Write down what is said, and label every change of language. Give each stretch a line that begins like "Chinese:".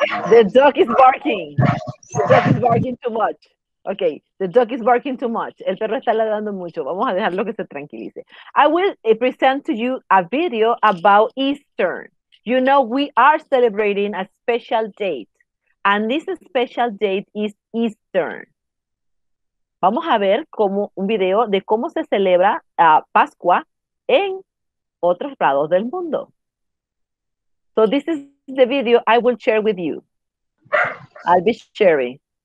English: The dog is barking too much. Okay, the dog is barking too much.
Spanish: El perro está ladrando mucho. Vamos a dejarlo que se tranquilice.
English: I will present to you a video about Easter. You know, we are celebrating a special date. And this special date is Easter.
Spanish: Vamos a ver como un video de cómo se celebra Pascua en otros lados del mundo.
English: So this is the video I will share with you. I'll be sharing.